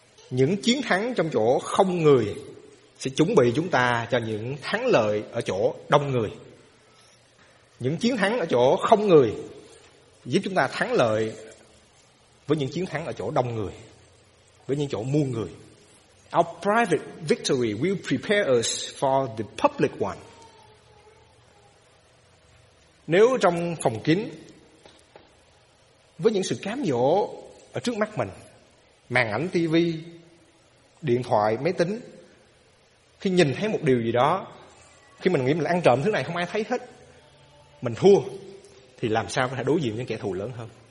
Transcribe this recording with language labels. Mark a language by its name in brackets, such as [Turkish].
[Vietnamese] những chiến thắng trong chỗ không người sẽ chuẩn bị chúng ta cho những thắng lợi ở chỗ đông người. Những chiến thắng ở chỗ không người giúp chúng ta thắng lợi với những chiến thắng ở chỗ đông người, với những chỗ muôn người. [English] Our private victory will prepare us for the public one. [Vietnamese] Nếu trong phòng kín, với những sự cám dỗ ở trước mắt mình, màn ảnh TV, điện thoại, máy tính, khi nhìn thấy một điều gì đó, khi mình nghĩ mình ăn trộm thứ này không ai thấy hết, mình thua, thì làm sao có thể đối diện với những kẻ thù lớn hơn?